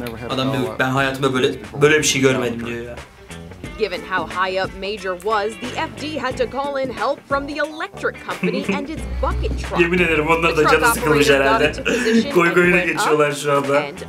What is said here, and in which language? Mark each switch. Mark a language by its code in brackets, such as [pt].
[tr] Adam diyor ben hayatımda böyle bir şey görmedim diyor ya. [en] Given how high up Major was, the FD had to call in help from the electric company and its bucket truck. [tr] Yemin ederim onlar da canı sıkılmış herhalde. Koy koyuna geçiyorlar şu anda.